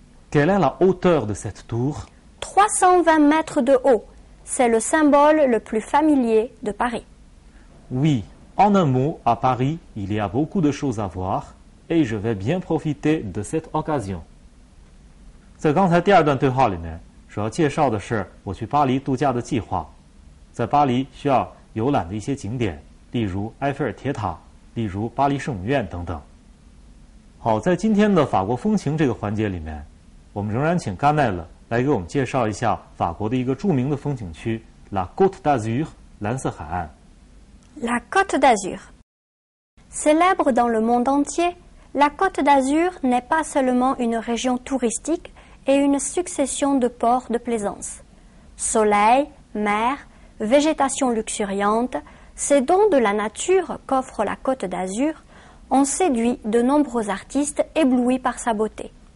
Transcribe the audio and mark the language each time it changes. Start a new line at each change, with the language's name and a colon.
French: Quelle est la hauteur de cette tour? 320 mètres de haut. C'est le symbole le plus familier de Paris. Oui, en un mot, à Paris, il y a beaucoup de choses à voir et je vais bien profiter de cette occasion.
Chinese: 在刚才第二段对话里面，主要介绍的是我去巴黎度假的计划。在巴黎需要游览的一些景点，例如埃菲尔铁塔，例如巴黎圣母院等等。好，在今天的法国风情这个环节里面，我们仍然请甘奈勒来给我们介绍一下法国的一个著名的风景区 La Côte d'Azur 蓝色海岸。
French: La Côte d'Azur. Célèbre dans le monde entier, la Côte d'Azur n'est pas seulement une région touristique et une succession de ports de plaisance. Soleil, mer, végétation luxuriante, ces dons de la nature qu'offre la Côte d'Azur ont séduit de nombreux artistes éblouis par sa beauté.